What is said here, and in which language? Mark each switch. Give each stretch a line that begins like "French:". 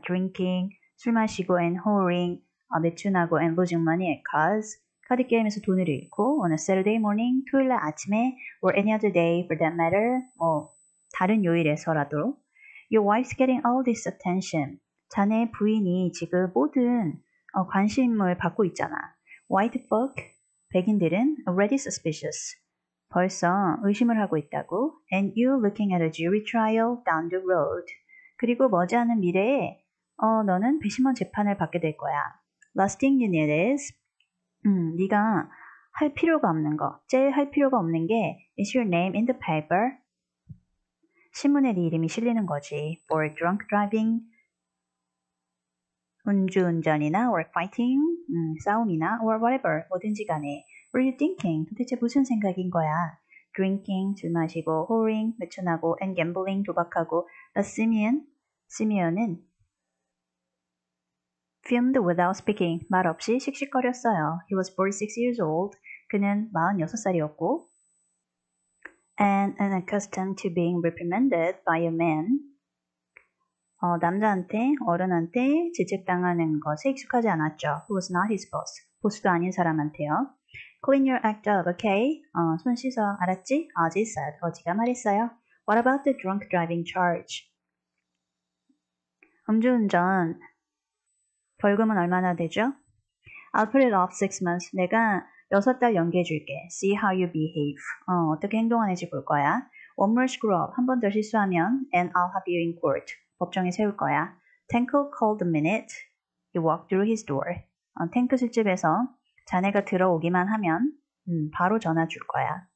English: Drinking,
Korean: 술 마시고
English: and whoring,
Korean: 매춘하고
English: and losing money at cards,
Korean: 카드 게임에서 돈을 잃고
English: on a Saturday morning,
Korean: 토요일 날 아침에
English: or any other day for that matter,
Korean: 뭐 다른 요일에서라도
English: Your wife's getting all this attention.
Korean: 자네 부인이 지금 모든 관심을 받고 있잖아.
English: White folk,
Korean: 백인들은
English: already suspicious.
Korean: 벌써 의심을 하고 있다고.
English: And you looking at a jury trial down the road.
Korean: 그리고 머지않은 미래에 너는 배심원 재판을 받게 될 거야.
English: Last thing you need is
Korean: 네가 할 필요가 없는 거. 제일 할 필요가 없는 게
English: is your name in the paper?
Korean: 신문에 네 이름이 실리는 거지.
English: For drunk driving,
Korean: 음주운전이나
English: or fighting,
Korean: 싸움이나
English: or whatever,
Korean: 뭐든지 간에.
English: What are you thinking?
Korean: 도대체 무슨 생각인 거야?
English: Drinking,
Korean: 술 마시고,
English: whoring,
Korean: 매춘하고,
English: and gambling,
Korean: 도박하고.
English: But Simeon은 fumed without speaking.
Korean: 말 없이 씩씩거렸어요.
English: He was 46 years old.
Korean: 그는 46살이었고.
English: And unaccustomed to being reprimanded by a man.
Korean: 남자한테, 어른한테 질책당하는 것에 익숙하지 않았죠.
English: Who was not his boss.
Korean: 보스도 아닌 사람한테요.
English: Clean your act up, okay?
Korean: 손 씻어, 알았지?
English: Ozzy said.
Korean: 어지가 말했어요.
English: What about the drunk driving charge?
Korean: 음주운전 벌금은 얼마나 되죠?
English: I'll put it off 6 months.
Korean: 내가 6달 연기해줄게.
English: See how you behave.
Korean: 어떻게 행동하는지 볼 거야.
English: One more screw up.
Korean: 한번더 실수하면
English: and I'll have you in court.
Korean: 법정에 세울 거야.
English: Tanko called the minute he walked through his door.
Korean: 탱크 술집에서 자네가 들어오기만 하면 바로 전화 줄 거야.